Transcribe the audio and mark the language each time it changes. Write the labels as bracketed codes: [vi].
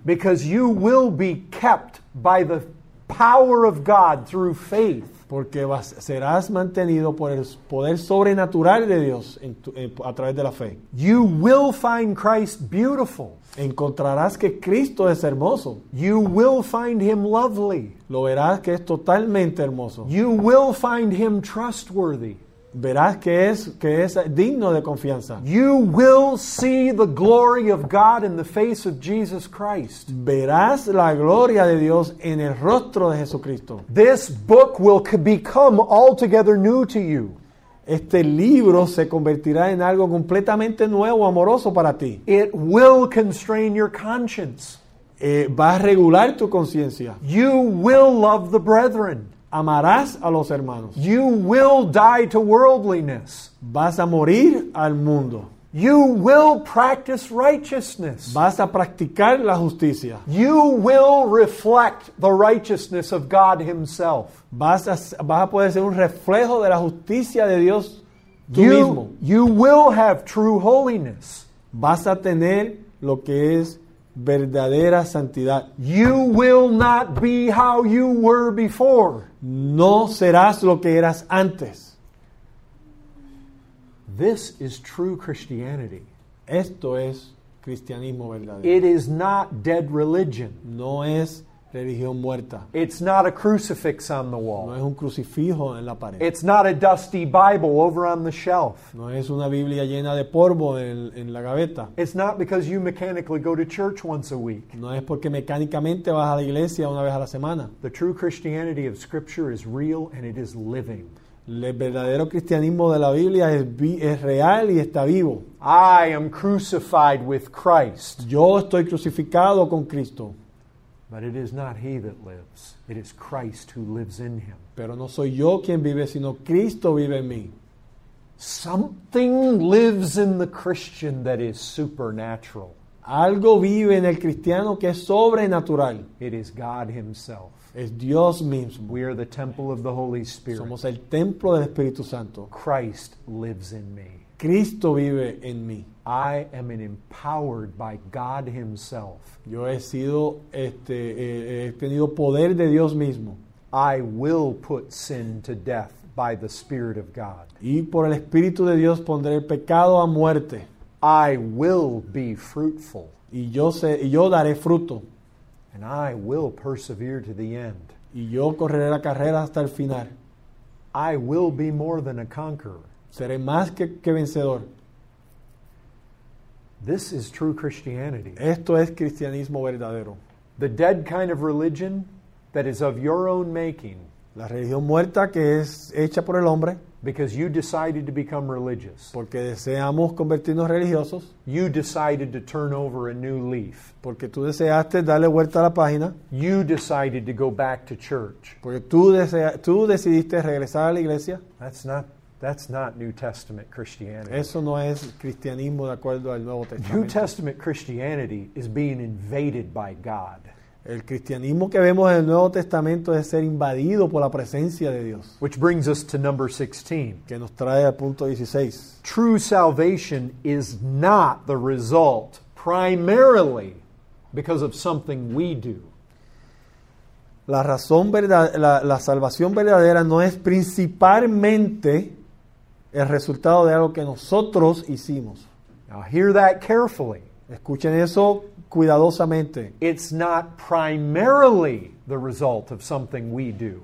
[en] Because you will be kept by the power of God through faith. [es] Porque serás mantenido por el poder sobrenatural de Dios a través de la fe. [en] You will find Christ beautiful. [es] Encontrarás que Cristo es hermoso. [en] You will find Him lovely. [es] Lo verás que es totalmente hermoso. [en] You will find Him trustworthy. [es] Verás que es digno de confianza. [en] You will see the glory of God in the face of Jesus Christ. [es] Verás la gloria de Dios en el rostro de Jesucristo. [en] This book will become altogether new to you. [es] Este libro se convertirá en algo completamente nuevo, amoroso para ti. [en] It will constrain your conscience. [es] Va a regular tu conciencia. [en] You will love the brethren. [es] Amarás a los hermanos. [en] You will die to worldliness. [es] Vas a morir al mundo. [en] You will practice righteousness. [es] Vas a practicar la justicia. [en] You will reflect the righteousness of God Himself. [es] Vas a poder ser un reflejo de la justicia de Dios mismo. [en] You will have true holiness. [es] Vas a tener lo que es verdadera santidad. [en] You will not be how you were before. [es] No serás lo que eras antes. [en] This is true Christianity. [es] Esto es cristianismo verdadero. [en] It is not dead religion. [es] No es religión muerta. [en] It's not a crucifix on the wall. [es] No es un crucifijo en la pared. [en] It's not a dusty Bible over on the shelf. [es] No es una Biblia llena de polvo en la gaveta. [en] It's not because you mechanically go to church once a week. [es] No es porque mecánicamente vas a la iglesia una vez a la semana. [en] The true Christianity of Scripture is real and it is living. [es] El verdadero cristianismo de la Biblia es real y está vivo. [en] I am crucified with Christ. [es] Yo estoy crucificado con Cristo. [en] But it is not he that lives. It is Christ who lives in him. [es] Pero no soy yo quien vive, sino Cristo vive en mí. [en] Something lives in the Christian that is supernatural. [es] Algo vive en el cristiano que es sobrenatural. [en] It is God himself. [es] Es Dios mismo. [en] We are the temple of the Holy Spirit. [es] Somos el templo del Espíritu Santo. [en] Christ lives in me. [es] Cristo vive en mí. [en] I am empowered by God himself. [es] Yo he sido he tenido poder de Dios mismo. [en] I will put sin to death by the Spirit of God. [es] Y por el Espíritu de Dios pondré el pecado a muerte. [en] I will be fruitful. [es] Y yo daré fruto. [en] And I will persevere to the end. [es] y yo correré la carrera hasta el final. [en] I will be more than a conqueror. [es] Seré más que vencedor. [en] This is true Christianity. [es] Esto es cristianismo verdadero. [en] The dead kind of religion that is of your own making. [es] La religión muerta que es hecha por el hombre. [en] Because you decided to become religious. [es] Porque deseamos convertirnos religiosos. [en] You decided to turn over a new leaf. [es] Porque tú deseaste darle vuelta a la página. [en] You decided to go back to church. [es] Porque tú decidiste regresar a la iglesia. [en] That's not New Testament Christianity. [es] Eso no es cristianismo de acuerdo al Nuevo Testamento. [en] New Testament Christianity is being invaded by God. [es] El cristianismo que vemos en el Nuevo Testamento es ser invadido por la presencia de Dios. [en] Which brings us to number 16. [es] Que nos trae al punto 16. [en] True salvation is not the result primarily because of something we do. [es] La salvación verdadera no es principalmente el resultado de algo que nosotros hicimos. [en] Now hear that carefully. [es] Escuchen eso cuidadosamente. [en] It's not primarily the result of something we do.